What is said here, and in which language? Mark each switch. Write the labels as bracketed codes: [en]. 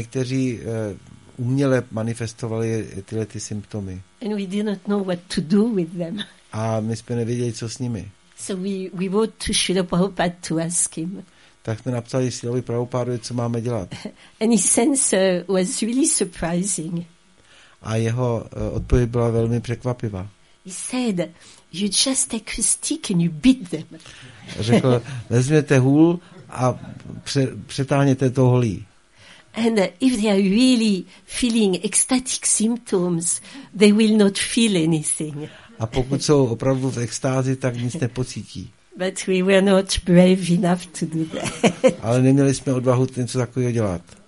[cs] Někteří uměle manifestovali tyhle ty symptomy. [en] And we did not know what to do with them. [cs] A my jsme nevěděli, co s nimi. [en] So we wrote to Srila Prabhupada to ask him. [cs] Tak jsme napsali Srilovi Prabhupádovi, co máme dělat. [en] And his answer was really surprising. [cs] A jeho odpověď byla velmi překvapivá. [en] He said, you just take a stick and you beat them. [cs] Řekl, vezměte hůl a přetáhněte to holí. [en] And if they are really feeling ecstatic symptoms, they will not feel anything. [cs] A pokud jsou opravdu v extázi, tak nic nepocítí. [en] But we were not brave enough to do that. [cs] Ale neměli jsme odvahu něco takového dělat.